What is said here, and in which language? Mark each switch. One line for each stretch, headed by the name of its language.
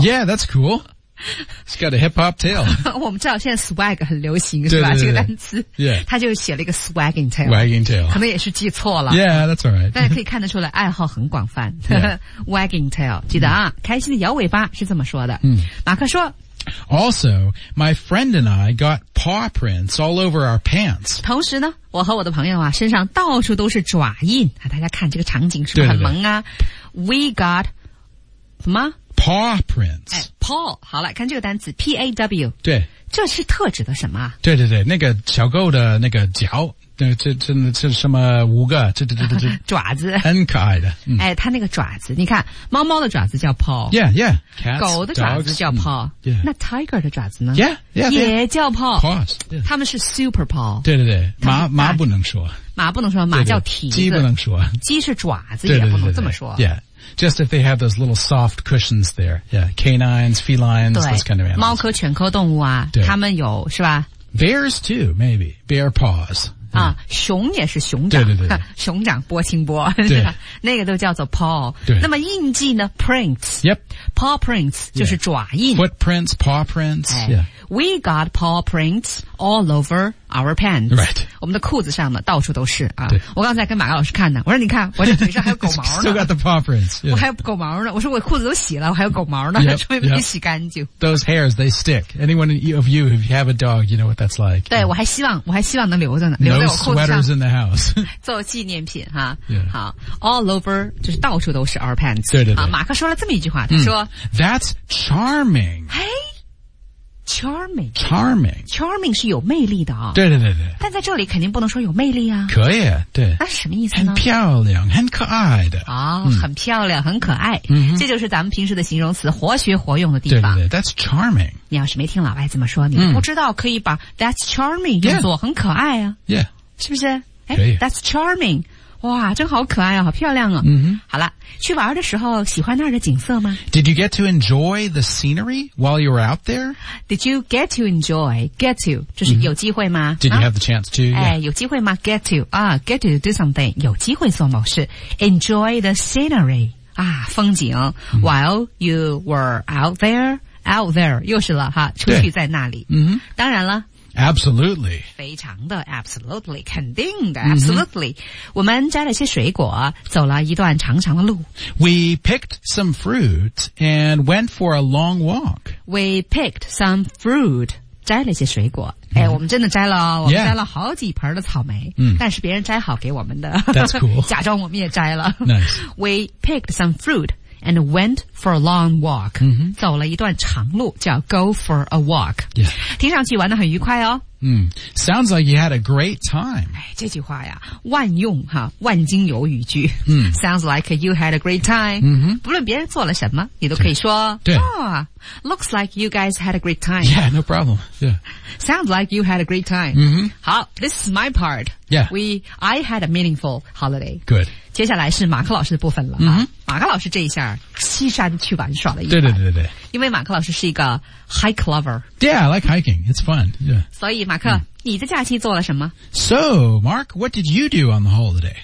English: Yeah, that's cool. It's got a hip-hop tail.
Chinese: 我们知道现在 swag 很流行，是吧？这个单词。
English: Yeah.
Chinese: 他就写了一个
English: swagging tail. Wagging tail.
Chinese: 可能也是记错了。
English: Yeah, that's alright.
Chinese: 但是可以看得出来爱好很广泛。
English: Yeah. Wagging tail.
Chinese: 记得啊，开心的摇尾巴是这么说的。马克说，
English: Also, my friend and I got paw prints all over our pants.
Chinese: 同时呢，我和我的朋友啊，身上到处都是爪印。大家看这个场景是不是很萌啊？对。
English: We got,
Chinese: 什么？
English: Paw prints.
Chinese: Paw, 好了，看这个单词 ,P-A-W. 对。这是特指的什么？对，那个小狗的那个脚，这什么五个，这爪子。很可爱的。它那个爪子，你看，猫猫的爪子叫 paw。
English: Yeah.
Chinese: Cats, 狗的爪子叫 paw。
English: Yeah.
Chinese: 那 tiger 的爪子呢？
English: Yeah.
Chinese: 也叫 paw。
English: Paws.
Chinese: 他们是 super paw。对。马不能说。马不能说，马叫蹄子。鸡不能说。鸡是爪子，也不能这么说。
English: Yeah. Just if they have those little soft cushions there. Yeah, canines, felines, those kind of animals.
Chinese: 猫科犬科动物啊，他们有，是吧？
English: Bears too, maybe. Bear paws.
Chinese: 啊，熊也是熊掌。对。熊掌波清波。对。那个都叫做 paw。对。那么印记呢 ,prints.
English: Yep.
Chinese: Paw prints, 就是爪印。
English: Footprints, paw prints, yeah. We got paw prints all over our pants. Right.
Chinese: 我们的裤子上呢到处都是啊！我刚才跟马老师看呢，我说你看我这腿上还有狗毛呢。
English: Still got the paw prints.、Yeah.
Chinese: 我还有狗毛呢，我说我裤子都洗了，我还有狗毛呢，说明没洗干净。
English: Those hairs they stick. Anyone of you if you have a dog, you know what that's like.
Chinese: 对、
English: yeah.
Chinese: 我还希望能留着呢，留在我裤子上。
English: No sweaters in the house.
Chinese: 做纪念品哈、
English: yeah.
Chinese: 好 ，
English: all over
Chinese: 就是到处都是
English: our pants.
Chinese: 对。啊，马克说了这么一句话，他说、
English: That's charming. Hey. Charming. Charming.
Chinese: Charming 是有魅力的啊、哦。对。但在这里肯定不能说有魅力啊。可以啊，对。那什么意思呢？很漂亮，很可爱的。哦、很漂亮，很可爱。这就是咱们平时的形容词活学活用的地方。对。
English: That's charming.
Chinese: 你要是没听老外怎么说，你不知道可以把
English: that's charming
Chinese: 用作很可爱啊。
English: Yeah.
Chinese: 是不是？可以。
English: That's charming.
Chinese: 哇，真好可爱啊，好漂亮啊。好了，去玩的时候喜欢那儿的景色吗？
English: Did you get to enjoy the scenery while you were out there? Did you get to enjoy? Get to,
Chinese: 就是有机会吗、
English: Did you have the chance to?、
Chinese: 有机会吗？
English: Get to,、get to do something,
Chinese: 有机会做某事。
English: Enjoy the scenery,
Chinese: 啊，风景、
English: while you were out there, out there,
Chinese: 又是了哈，出去在那里。当然了。
English: Absolutely.
Chinese: 非常的 absolutely, 肯定的 absolutely.、我们摘了些水果走了一段长长的路。
English: We picked some fruit and went for a long walk. We picked some fruit,
Chinese: 摘了些水果。哎，我们真的摘了，我们摘了好几盆的草莓、但是别人摘好给我们的。
English: That's cool.
Chinese: 假装我们也摘了。
English: Nice. We picked some fruit and went for a long walk.、
Chinese: 走了一段长路叫
English: go for a walk. Yeah.
Chinese: 听上去玩得很愉快哦。
English: Sounds like you had a great time.
Chinese: 哎，这句话呀，万用哈，万金油语句。 Sounds like you had a great time. 不论别人做了什么，你都可以说。对。
English: Looks like you guys had a great time. Yeah, no problem. Yeah. Sounds like you had a great time.
Chinese: 好
English: ，this is my part. Yeah. I had a meaningful holiday. Good.
Chinese: 接下来是马克老师的部分了。马克老师这一下西山去玩耍了一番。对。因为马克老师是一个 hike lover.
English: Yeah, I like hiking. It's fun. Yeah.
Chinese: 所以马克，你的假期做了什么？
English: So, Mark, what did you do on the holiday?